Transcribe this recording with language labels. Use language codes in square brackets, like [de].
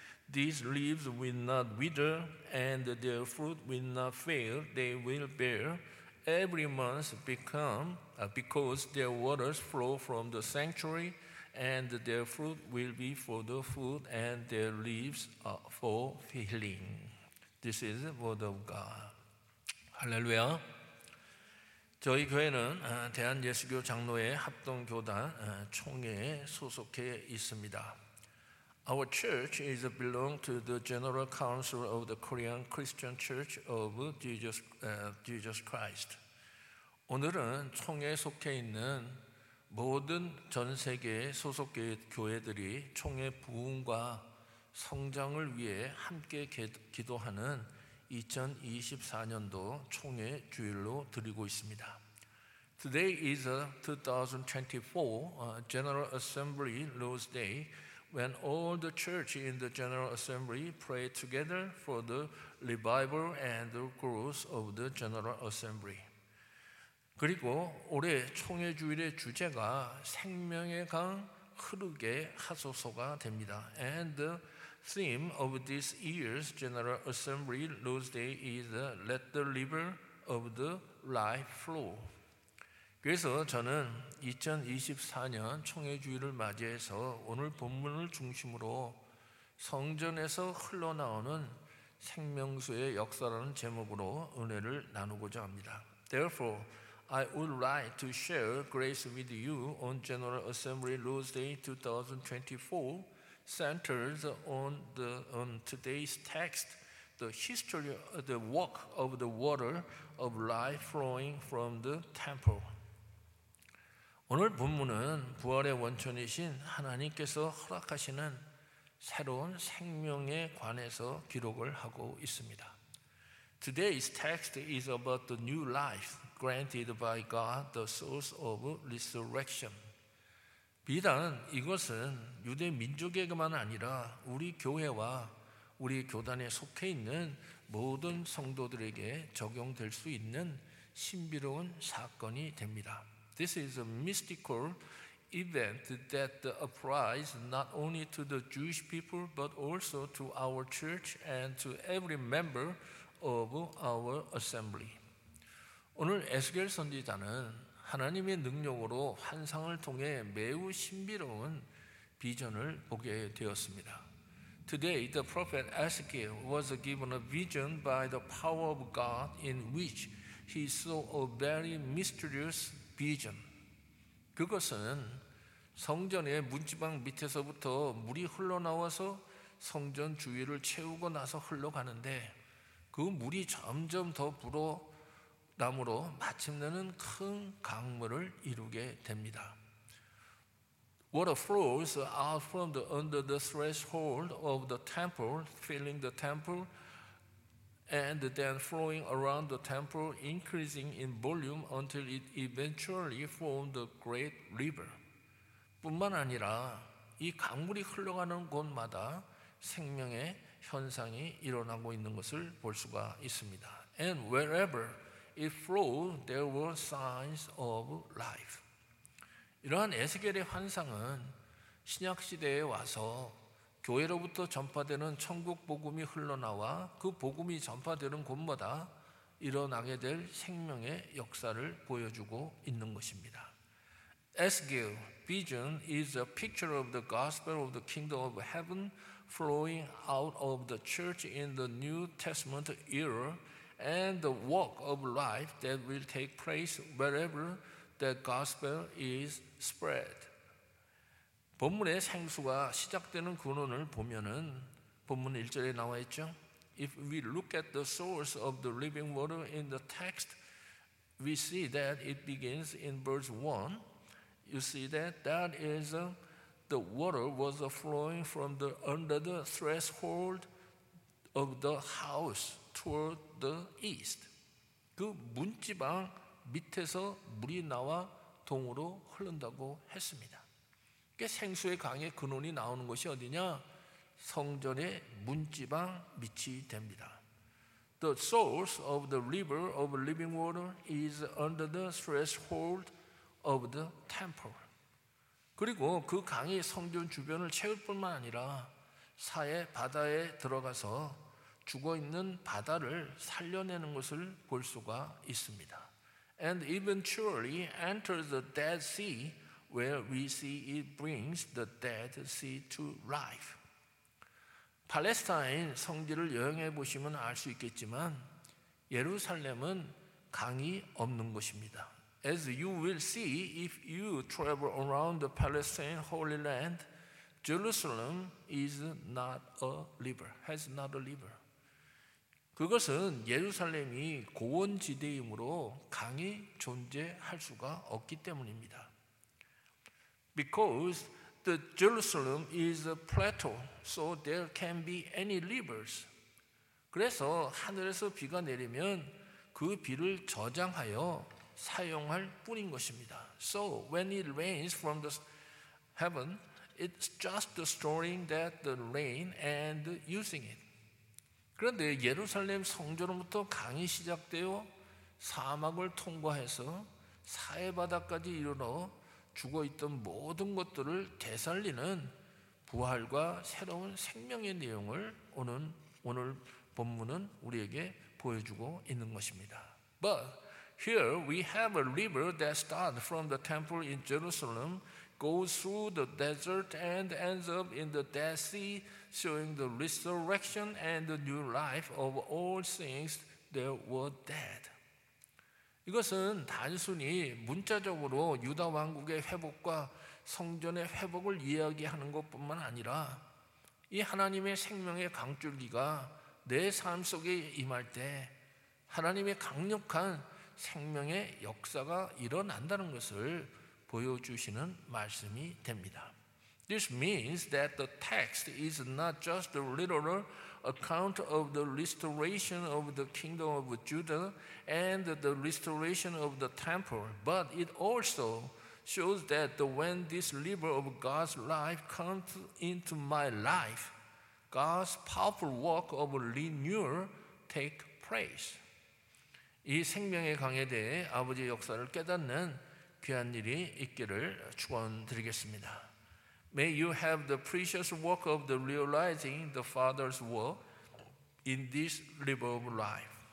[en] These leaves will not wither, and their fruit will not fail. They will bear every month because their waters flow from the sanctuary, and their fruit will be for the food, and their leaves are for healing. This is the word of God. Hallelujah. [ko] 저희 교회는 대한예수교 장로회 합동교단 총회에 소속해 있습니다. [en] Our church is belong to the General Council of the Korean Christian Church of Jesus Christ. [ko] 오늘은 총회에 속해 있는 모든 전 세계 소속 교회들이 총회 부흥과 성장을 위해 함께 기도하는 2024년도 총회 주일로 드리고 있습니다. [en] Today is a 2024 General Assembly Lord's Day when all the church in the General Assembly pray together for the revival and the growth of the General Assembly. [ko] 그리고 올해 총회 주일의 주제가 생명의 강 흐르게 하소서가 됩니다. [en] And the theme of this year's General Assembly Lord's Day is Let the River of the Life Flow. [ko] 그래서 저는 2024년 총회 주일을 맞이해서 오늘 본문을 중심으로 성전에서 흘러나오는 생명수의 역사라는 제목으로 은혜를 나누고자 합니다. [en] Therefore, I would like to share grace with you on General Assembly Lord's Day 2024 centered on today's text, the history of the walk of the water of life flowing from the temple. [ko] 오늘 본문은 부활의 원천이신 하나님께서 허락하시는 새로운 생명에 관해서 기록을 하고 있습니다. [en] Today's text is about the new life granted by God, the source of resurrection. [ko] 비단 이것은 유대 민족에게만 아니라 우리 교회와 우리 교단에 속해 있는 모든 성도들에게 적용될 수 있는 신비로운 사건이 됩니다. [en] This is a mystical event that applies not only to the Jewish people but also to our church and to every member of our assembly. [ko] 오늘 에스겔 선지자는 하나님의 능력으로 환상을 통해 매우 신비로운 비전을 보게 되었습니다. [en] Today, the prophet Ezekiel was given a vision by the power of God in which he saw a very mysterious vision. [ko] 그것은 성전의 문지방 밑에서부터 물이 흘러나와서 성전 주위를 채우고 나서 흘러가는데 그 물이 점점 더 불어 나무로 마침내는 큰 강물을 이루게 됩니다. [en] Water flows out from the under the threshold of the temple, filling the temple, and then flowing around the temple, increasing in volume until it eventually formed a great river. [ko] 뿐만 아니라 이 강물이 흘러가는 곳마다 생명의 현상이 일어나고 있는 것을 볼 수가 있습니다. [en] And wherever it flowed, there were signs of life. [ko] 이러한 에스겔의 환상은 신약 시대에 와서 교회로부터 전파되는 천국 복음이 흘러나와 그 복음이 전파되는 곳마다 일어나게 될 생명의 역사를 보여주고 있는 것입니다. [en] Ezekiel's vision is a picture of the gospel of the kingdom of heaven flowing out of the church in the New Testament era. And the walk of life that will take place wherever the gospel is spread. [ko] 본문의 생수가 시작되는 근원을 보면은 본문 1절에 나와 있죠. [en] If we look at the source of the living water in the text, we see that it begins in verse 1. You see that is the water was flowing from the under the threshold of the house. Toward the east, [ko] 그 문지방 밑에서 물이 나와 동으로 흐른다고 했습니다. 그 생수의 강의 근원이 나오는 것이 어디냐? 성전의 문지방 밑이 됩니다. [en] The source of the river of living water is under the threshold of the temple. [ko] 그리고 그 강이 성전 주변을 채울 뿐만 아니라 사해 바다에 들어가서 죽어 있는 바다를 살려내는 것을 볼 수가 있습니다. [en] And eventually enters the Dead Sea where we see it brings the Dead Sea to life. [ko] 팔레스타인 성지를 여행해 보시면 알 수 있겠지만 예루살렘은 강이 없는 곳입니다. [en] As you will see if you travel around the Palestine Holy Land, Jerusalem is not a river. Has not a river. [ko] 그것은 예루살렘이 고원지대이므로 강이 존재할 수가 없기 때문입니다. [en] Because the Jerusalem is a plateau, so there can be any rivers. [ko] 그래서 하늘에서 비가 내리면 그 비를 저장하여 사용할 뿐인 것입니다. [en] So when it rains from the heaven, it's just storing that the rain and using it. [ko] 그런데 예루살렘 성전으로부터 강이 시작되어 사막을 통과해서 사해 바다까지 이르러 죽어 있던 모든 것들을 되살리는 부활과 새로운 생명의 내용을 오늘 본문은 우리에게 보여주고 있는 것입니다. [en] But here we have a river that starts from the temple in Jerusalem, goes through the desert and ends up in the Dead Sea, showing the resurrection and the new life of all things that were dead. [ko] 이것은 단순히 문자적으로 유다 왕국의 회복과 성전의 회복을 이야기하는 것뿐만 아니라 이 하나님의 생명의 강줄기가 내 삶 속에 임할 때 하나님의 강력한 생명의 역사가 일어난다는 것을 보여주시는 말씀이 됩니다. [en] This means that the text is not just a literal account of the restoration of the kingdom of Judah and the restoration of the temple, but it also shows that when this river of God's life comes into my life, God's powerful work of renewal take place. [ko] 이 생명의 강에 대해 아버지의 역사를 깨닫는 귀한 일이 있기를 축원드리겠습니다. [en] May you have the precious work of the realizing the Father's work in this river of life.